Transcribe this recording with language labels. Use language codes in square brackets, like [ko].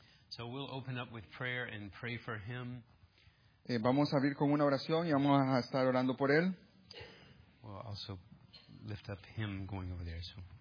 [en] So we'll open up with prayer and pray for him. [es] Vamos a abrir con una oración y vamos a estar orando por él. [en] We'll also lift up him going over there, so.